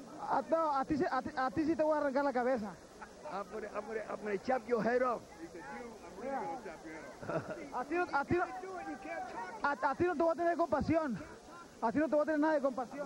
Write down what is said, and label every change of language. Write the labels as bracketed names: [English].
[Spanish] A ti sí te voy a arrancar la cabeza. [English] I'm gonna chop your head off. He said, I'm really gonna chop your head off. [Spanish] A ti no te voy a tener compasión. A ti no te voy a tener nada de compasión.